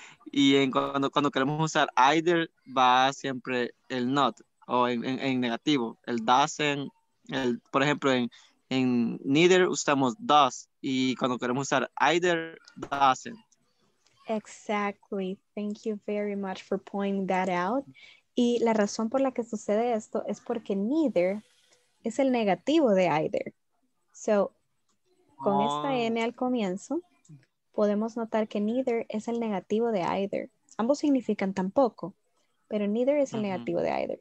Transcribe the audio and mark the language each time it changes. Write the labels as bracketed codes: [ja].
[es] Y en cuando queremos usar either, va siempre el not. O en negativo, el doesn't, el, por ejemplo, en neither usamos does, y cuando queremos usar either, doesn't. [en] Exactly. Thank you very much for pointing that out. [es] Y la razón por la que sucede esto es porque neither es el negativo de either. So, con esta N al comienzo, podemos notar que neither es el negativo de either. Ambos significan tampoco, pero neither es el negativo de either.